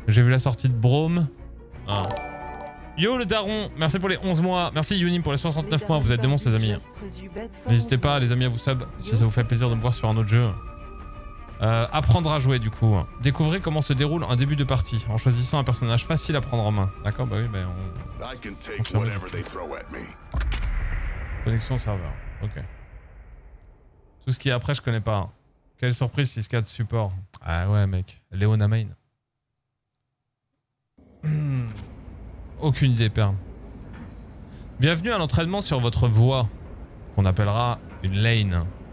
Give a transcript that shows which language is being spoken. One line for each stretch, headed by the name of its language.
French: J'ai vu la sortie de Brome. Ah. Yo, le daron. Merci pour les 11 mois. Merci, Yunim, pour les 69 mois. Vous êtes des monstres, les amis. N'hésitez pas, les amis, à vous sub si ça vous fait plaisir de me voir sur un autre jeu. Apprendre à jouer du coup. Découvrez comment se déroule un début de partie en choisissant un personnage facile à prendre en main. D'accord, bah oui, bah on...
English: I can take whatever they throw at me.
French: Connexion serveur, ok. Tout ce qui est après, je connais pas. Quelle surprise, 6-4 support. Ah ouais, mec. Leona main. Aucune idée, perle. Bienvenue à l'entraînement sur votre voie, qu'on appellera une lane.